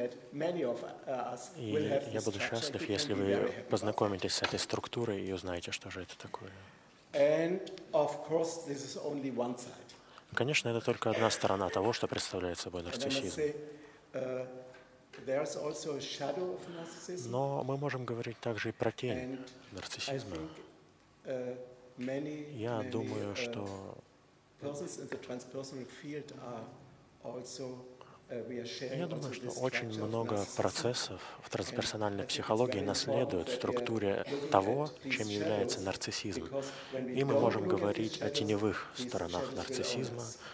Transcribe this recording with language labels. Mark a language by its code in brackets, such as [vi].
[en] And so you can see that many of us will have. [ru] Я буду счастлив, если вы познакомитесь с этой структурой и узнаете, что же это такое. [en] And of course, this is only one side. [ru] Конечно, это только одна сторона того, что представляет собой нарциссизм. [en] There's also a shadow of narcissism. [ru] Но мы можем говорить также и про тень нарциссизма. Я думаю, что я думаю, что очень много процессов в трансперсональной психологии наследуют структуре того, чем является нарциссизм. И мы можем говорить о теневых сторонах нарциссизма,